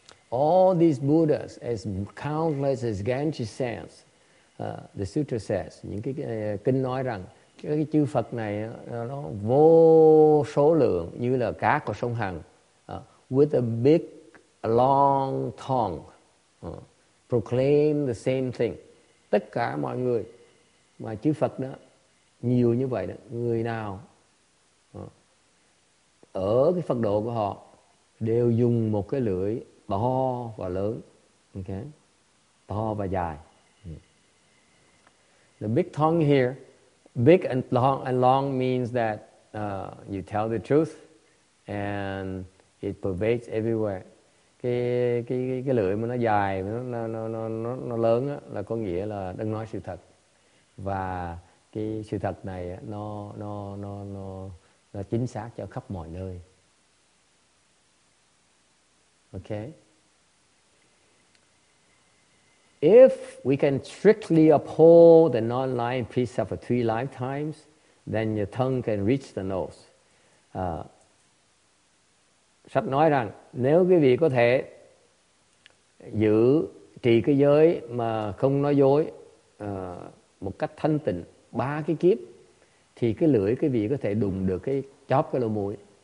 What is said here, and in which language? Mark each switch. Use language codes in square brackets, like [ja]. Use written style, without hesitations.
[en] All these Buddhas, as countless as Ganges sands, the sutra says. [vi] Những cái kinh nói rằng cái chư Phật này nó vô số lượng như là cát của sông Hằng. [en] With a big, long tongue, proclaim the same thing. [vi] Tất cả mọi người mà chư Phật đó nhiều như vậy đó, người nào ở cái Phật độ của họ đều dùng một cái lưỡi to và lớn, okay, to và dài. [en] The big tongue here, big and long means that you tell the truth and it pervades everywhere. [vi] Cái lưỡi mà nó dài, nó lớn đó, là có nghĩa là đang nói sự thật. Và cái sự thật này nó chính xác cho khắp mọi nơi. [en] Okay. If we can strictly uphold the non-lying precept for three lifetimes, then your tongue can reach the nose. [vi] Sách nói rằng nếu quý vị có thể giữ trì cái giới mà không nói dối một cách thanh tịnh ba cái kiếp thì cái lưỡi cái vị có thể đụng được cái chóp cái lỗ mũi.